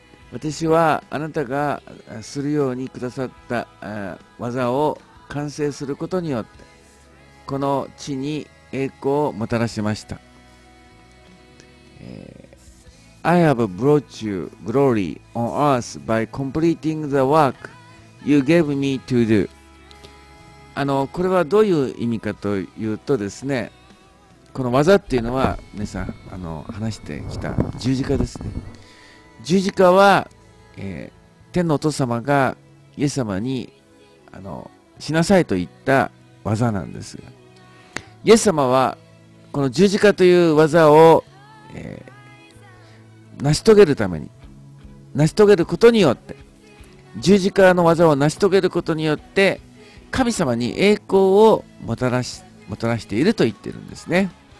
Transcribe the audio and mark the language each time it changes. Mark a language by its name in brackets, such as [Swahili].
[Japanese] 私はあなたがするようにくださった技を完成することによってこの地に栄光をもたらしました。 [English] I have brought you glory on earth by completing the work you gave me to do。 [Japanese] あの、これはどういう意味かというとですね、この技っていうのは皆さんあの話してきた十字架ですね。十字架は、天のお父様がイエス様にあの死なさいと言った技なんですが、イエス様はこの十字架という技を、成し遂げることによって十字架の技を成し遂げることによって神様に栄光をもたらしていると言ってるんですね。